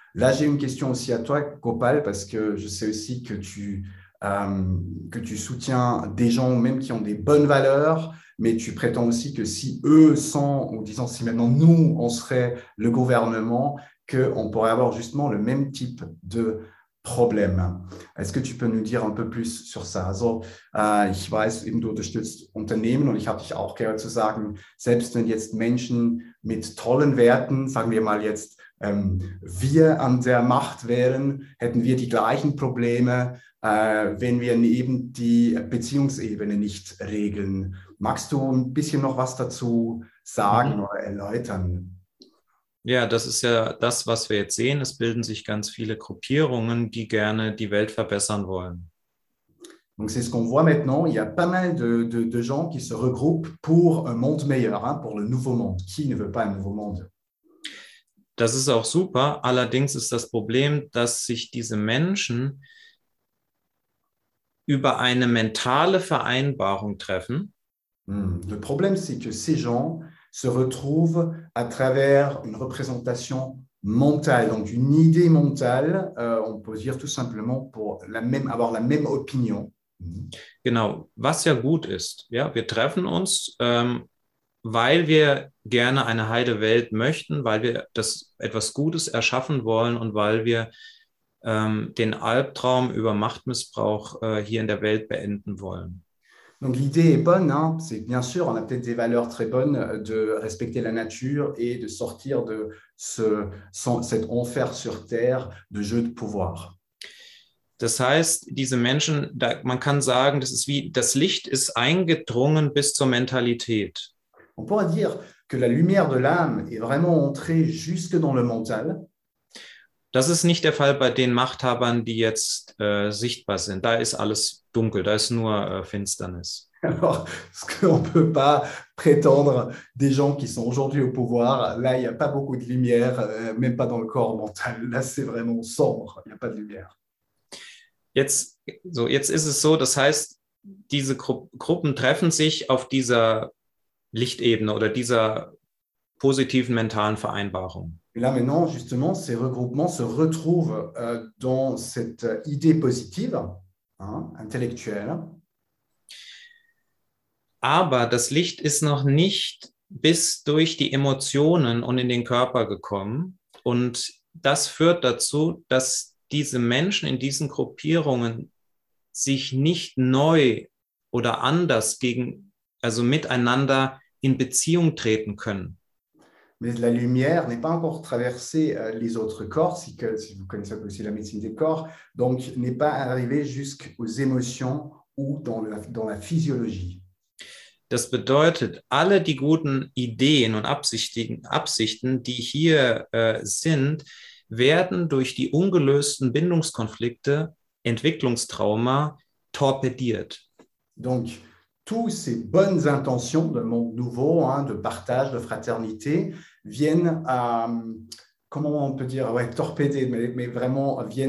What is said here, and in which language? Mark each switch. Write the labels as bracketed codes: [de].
[fr] Là, j'ai une question aussi à toi, Gopal, parce que je sais aussi que tu soutiens des gens même qui ont des bonnes valeurs, mais tu prétends aussi que si eux sont, ou disons si maintenant nous, on serait le gouvernement, qu'on pourrait avoir justement le même type de problème. Est-ce que tu peux nous dire un peu plus sur ça? [de] Also, ich weiß eben, du unterstützt Unternehmen und ich habe dich auch gehört zu sagen, selbst wenn jetzt Menschen mit tollen Werten, sagen wir mal jetzt, wir an der Macht wären, hätten wir die gleichen Probleme, wenn wir eben die Beziehungsebene nicht regeln. Magst du ein bisschen noch was dazu sagen oder erläutern? Ja, das ist ja das, was wir jetzt sehen. Es bilden sich ganz viele Gruppierungen, die gerne die Welt verbessern wollen. [fr] Donc c'est ce qu'on voit maintenant. Il y a pas mal de gens qui se regroupent pour un monde meilleur, hein, pour le nouveau monde. Qui ne veut pas un nouveau monde? [de] Das ist auch super. Allerdings ist das Problem, dass sich diese Menschen über eine mentale Vereinbarung treffen. [fr] Le problème, c'est que ces gens se retrouvent à travers une représentation mentale, donc une idée mentale, on peut dire tout simplement pour la même, avoir la même opinion. [de] Genau, was ja gut ist, ja, wir treffen uns, weil wir gerne eine heile Welt möchten, weil wir das etwas Gutes erschaffen wollen und weil wir den Albtraum über Machtmissbrauch hier in der Welt beenden wollen. [fr] Donc l'idée est bonne, hein. C'est bien sûr, on a peut-être des valeurs très bonnes de respecter la nature et de sortir de cet enfer sur terre de jeu de pouvoir. [de] Das heißt, diese Menschen, da, man kann sagen, das ist wie das Licht ist eingedrungen bis zur Mentalität. [fr] On pourrait dire que la lumière de l'âme est vraiment entrée jusque dans le mental. [de] Das ist nicht der Fall bei den Machthabern, die jetzt sichtbar sind. Da ist alles dunkel, da ist nur Finsternis. [fr] Alors, ce qu'on ne peut pas prétendre des gens qui sont aujourd'hui au pouvoir, là, il n'y a pas beaucoup de lumière, même pas dans le corps mental. Là, c'est vraiment sombre, il n'y a pas de lumière. [de] Jetzt ist es so, das heißt, diese Gruppen treffen sich auf dieser Lichtebene oder dieser positiven mentalen Vereinbarung. [fr] Et là, maintenant, justement, ces regroupements se retrouvent dans cette idée positive, hein, intellectuelle. [de] Aber das Licht ist noch nicht bis durch die Emotionen und in den Körper gekommen. Und das führt dazu, dass diese Menschen in diesen Gruppierungen sich nicht neu oder anders gegen, also miteinander in Beziehung treten können. [fr] Mais la lumière n'est pas encore traversée les autres corps, si vous connaissez aussi la médecine des corps, donc n'est pas arrivée jusqu'aux émotions ou dans la physiologie. [de] Das bedeutet, alle die guten Ideen und Absichten, die hier sind, werden durch die ungelösten Bindungskonflikte, Entwicklungstrauma torpediert. [fr] Donc, toutes ces bonnes intentions de monde nouveau, hein, de partage, de fraternité, viennent à, comment on peut dire, ouais, torpéder, mais vraiment